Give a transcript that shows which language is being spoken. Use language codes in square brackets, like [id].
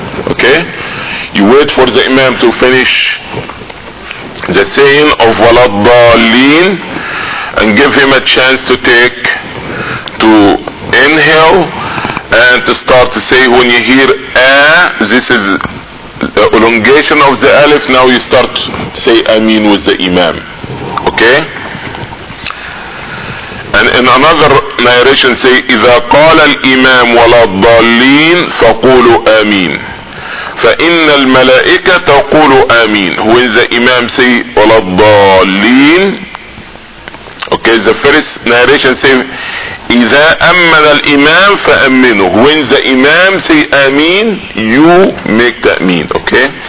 [en] Okay, you wait for the Imam to finish the saying of Walad Dalin and give him a chance to take, to inhale and to start to say. When you hear A, this is the elongation of the Aleph, now you start to say Ameen with the Imam. Okay? And in another narration say, [ar] إِذَا قَالَ الْإِمَامُ وَلَا الضَّالِّينَ فَقُولُوا آمين. فَإِنَّ الْمَلَائِكَةَ تَقُولُوا آمين. [en] When the Imam say, [ar] وَلَا الضَّالِّينَ. [en] Okay, the first narration say, [ar] إِذَا أَمَّنَ الْإِمَامُ فَأَمِّنُهُ. [en] When the Imam say, آمين, you make the آمين. Okay.